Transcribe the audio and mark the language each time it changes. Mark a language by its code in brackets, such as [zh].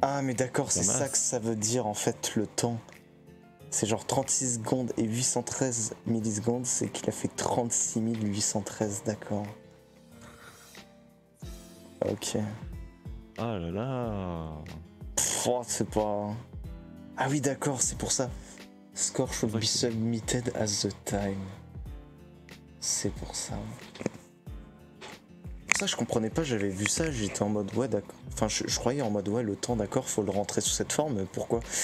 [fr] Ah, mais d'accord, c'est masse. Ça que ça veut dire, en fait, le temps. C'est genre 36 secondes et 813 millisecondes, c'est qu'il a fait 36 813, d'accord. Ok. Ah là là. Pfff, c'est pas... Ah oui, d'accord, c'est pour ça. [en] Score should be submitted as the time. [fr] C'est pour ça. Ça, je comprenais pas, j'avais vu ça, j'étais en mode, ouais, d'accord. Enfin, je croyais en mode, ouais, le temps, d'accord, faut le rentrer sous cette forme, mais pourquoi?